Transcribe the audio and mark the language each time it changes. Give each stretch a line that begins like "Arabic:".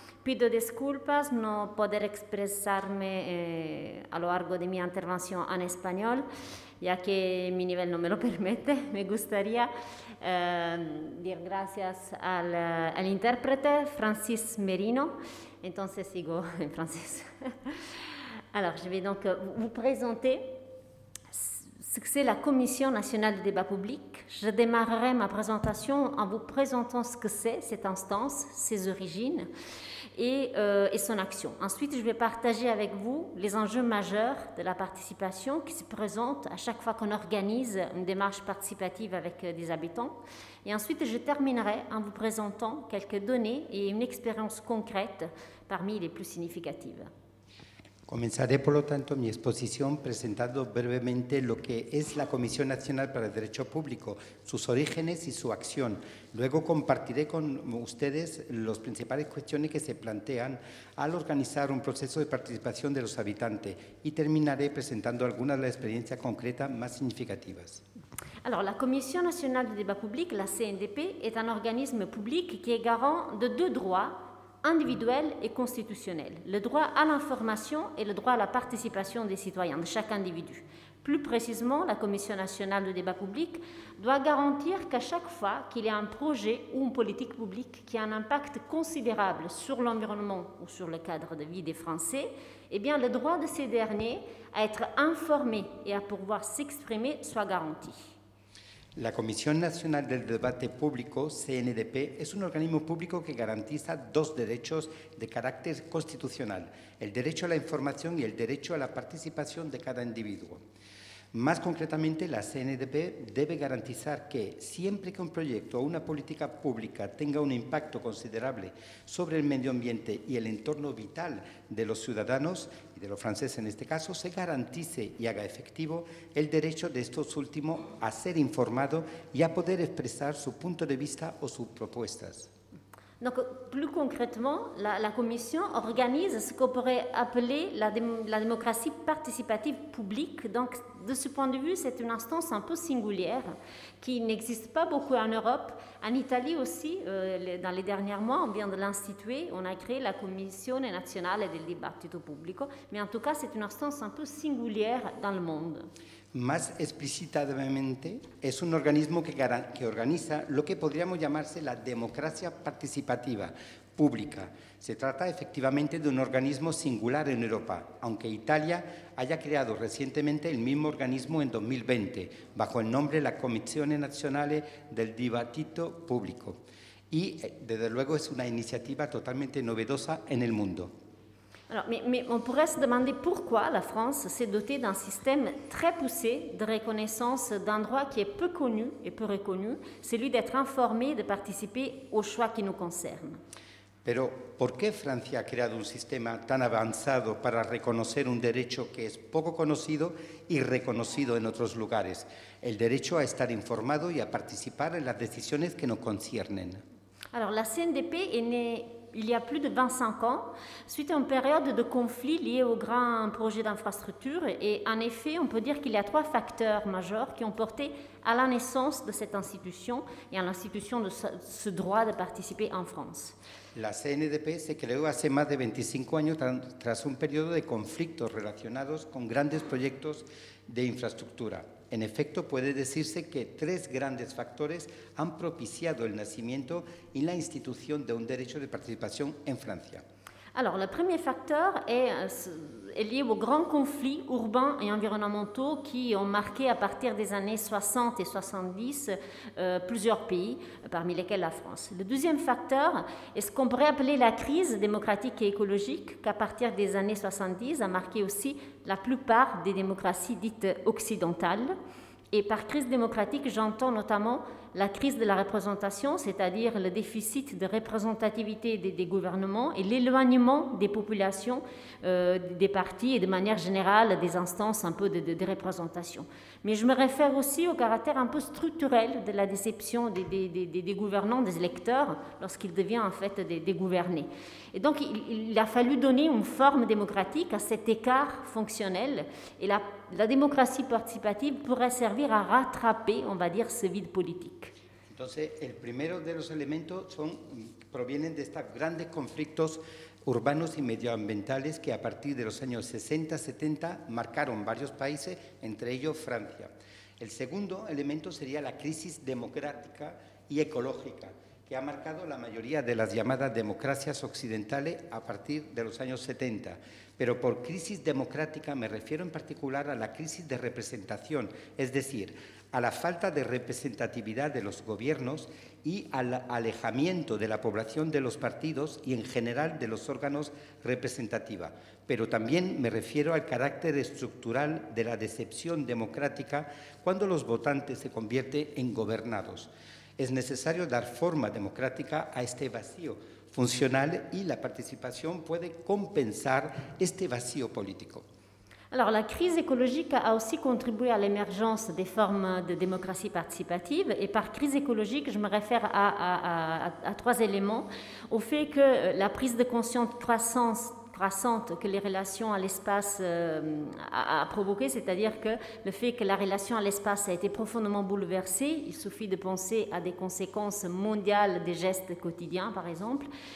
Spanish: Pido disculpas no poder expresarme a lo largo de mi intervención en español, ya que mi nivel no me lo permite. Me gustaría dar gracias al intérprete Francis Merino. Entonces sigo en francés.
French: Alors, je vais donc vous présenter ce que c'est la Commission nationale de débat public. Je démarrerai ma présentation en vous présentant ce que c'est cette instance, ses origines et son action. Ensuite, je vais partager avec vous les enjeux majeurs de la participation qui se présentent à chaque fois qu'on organise une démarche participative avec des habitants. Et ensuite, je terminerai en vous présentant quelques données et une expérience concrète parmi les plus significatives.
Spanish: Comenzaré, por lo tanto, mi exposición presentando brevemente lo que es la Comisión Nacional para el Derecho Público, sus orígenes y su acción. Luego compartiré con ustedes las principales cuestiones que se plantean al organizar un proceso de participación de los habitantes y terminaré presentando algunas de las experiencias concretas más significativas.
French: Alors, la Commission Nationale de Débat Public, la CNDP, est un organisme public qui est garant de deux droits individuel et constitutionnel, le droit à l'information et le droit à la participation des citoyens, de chaque individu. Plus précisément, la Commission nationale de débat public doit garantir qu'à chaque fois qu'il y a un projet ou une politique publique qui a un impact considérable sur l'environnement ou sur le cadre de vie des Français, eh bien le droit de ces derniers à être informés et à pouvoir s'exprimer soit garanti.
Spanish: La Comisión Nacional del Debate Público, CNDP, es un organismo público que garantiza dos derechos de carácter constitucional, el derecho a la información y el derecho a la participación de cada individuo. Más concretamente, la CNDP debe garantizar que siempre que un proyecto o una política pública tenga un impacto considerable sobre el medio ambiente y el entorno vital de los ciudadanos, y de los franceses en este caso, se garantice y haga efectivo el derecho de estos últimos a ser informado y a poder expresar su punto de vista o sus propuestas.
French: Donc, plus concrètement, la Commission organise ce qu'on pourrait appeler la démocratie participative publique. Donc, de ce point de vue, c'est une instance un peu singulière qui n'existe pas beaucoup en Europe. En Italie aussi, dans les derniers mois, on vient de l'instituer. On a créé la Commission nationale del dibattito pubblico. Mais en tout cas, c'est une instance un peu singulière dans le monde.
Spanish: más explícitamente, es un organismo que organiza lo que podríamos llamarse la democracia participativa pública. Se trata efectivamente de un organismo singular en Europa, aunque Italia haya creado recientemente el mismo organismo en 2020, bajo el nombre de la Commissione Nazionale del Dibattito Pubblico. Y desde luego es una iniciativa totalmente novedosa en el mundo.
French: Alors, mais on pourrait se demander pourquoi la France s'est dotée d'un système très poussé de reconnaissance d'un droit qui est peu connu et peu reconnu, celui d'être informé et de participer aux choix qui nous concernent.
Spanish: Pero ¿por qué Francia ha creado un sistema tan avanzado para reconocer un derecho que es poco conocido y reconocido en otros lugares? El derecho a estar informado y a participar en las decisiones que nos conciernen.
French: Alors, la CNDP est née il y a plus de 25 ans, suite à une période de conflit lié au grand projet d'infrastructure. Et en effet, on peut dire qu'il y a trois facteurs majeurs qui ont porté à la naissance de cette institution et à l'institution de ce droit de participer en France.
Spanish: La CNDP se creó hace más de 25 años tras un periodo de conflictos relacionados con grandes proyectos de infraestructura. En efecto, puede decirse que tres grandes factores han propiciado el nacimiento y la institución de un derecho de participación en Francia.
French: Alors, le premier facteur est lié aux grands conflits urbains et environnementaux qui ont marqué à partir des années 60 et 70 plusieurs pays, parmi lesquels la France. Le deuxième facteur est ce qu'on pourrait appeler la crise démocratique et écologique qu'à partir des années 70 a marqué aussi la plupart des démocraties dites occidentales. Et par crise démocratique, j'entends notamment la crise de la représentation, c'est-à-dire le déficit de représentativité des gouvernements et l'éloignement des populations, des partis et de manière générale des instances un peu de représentation. Mais je me réfère aussi au caractère un peu structurel de la déception des gouvernants, des électeurs, lorsqu'ils deviennent en fait des gouvernés. Et donc il a fallu donner une forme démocratique à cet écart fonctionnel et la démocratie participative pourrait servir à rattraper, on va dire, ce vide politique.
Spanish: Entonces, el primero de los elementos provienen de estos grandes conflictos urbanos y medioambientales que a partir de los años 60-70 marcaron varios países, entre ellos Francia. El segundo elemento sería la crisis democrática y ecológica que ha marcado la mayoría de las llamadas democracias occidentales a partir de los años 70. Pero por crisis democrática me refiero en particular a la crisis de representación, es decir, a la falta de representatividad de los gobiernos y al alejamiento de la población de los partidos y, en general, de los órganos representativos. Pero también me refiero al carácter estructural de la decepción democrática cuando los votantes se convierten en gobernados. Es necesario dar forma democrática a este vacío funcional y la participación puede compensar este vacío político.
French: Alors, la crise écologique a aussi contribué à l'émergence des formes de démocratie participative. Et par crise écologique, je me réfère à trois éléments. Au fait que la prise de conscience croissante que les relations à l'espace a provoqué, c'est-à-dire que le fait que la relation à l'espace a été profondément bouleversée, il suffit de penser à des conséquences mondiales des gestes quotidiens, par exemple.